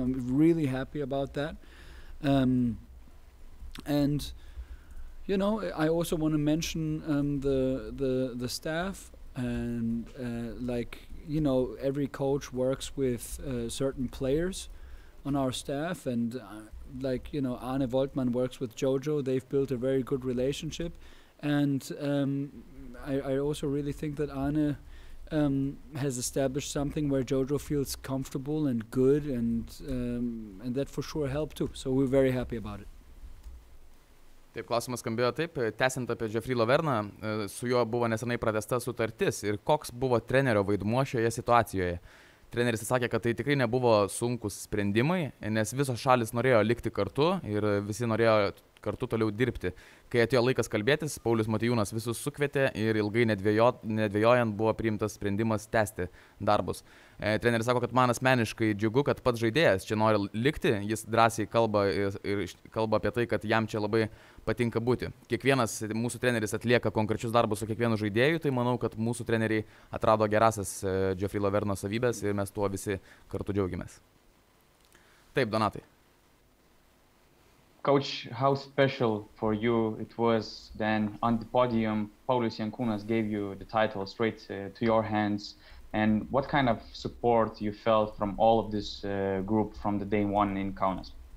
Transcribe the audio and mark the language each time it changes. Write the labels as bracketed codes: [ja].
[en] I'm really happy about that. And, you know, I also want to mention the staff and like, you know, every coach works with certain players on our staff and like, you know, Arne Voltmann works with Giorgio. They've built a very good relationship. And I also really think that Arne has established something where Giorgio feels comfortable and good and that for sure helped too. So we're very happy about it. [lt] Taip, klausimas skambėjo taip. Tęsiant apie Geoffrey Laverną, su juo buvo nesenai pratesta sutartis. Ir koks buvo trenerio vaidmuo šioje situacijoje? Treneris sakė, kad tai tikrai nebuvo sunkus sprendimai, nes visos šalys norėjo likti kartu ir visi norėjo kartu toliau dirbti. Kai atėjo laikas kalbėtis, Paulius Motiejūnas visus sukvietė ir ilgai nedvejojant buvo priimtas sprendimas tęsti darbus. Treneris sako, kad man asmeniškai džiugu, kad pats žaidėjas čia nori likti, jis drąsiai kalba ir kalba apie tai, kad jam čia labai patinka būti. Kiekvienas mūsų treneris atlieka konkrečius darbus su kiekvienu žaidėju, tai manau, kad mūsų treneriai atrado gerasias Geoffrey Laverno savybės ir mes tuo visi kartu džiaugiamės. Taip, Donatai. [en] Coach, how special for you it was then on the podium Paulius Jankūnas gave you the title straight to your hands and what kind of support you felt from all of this group from the day one in Kaunas?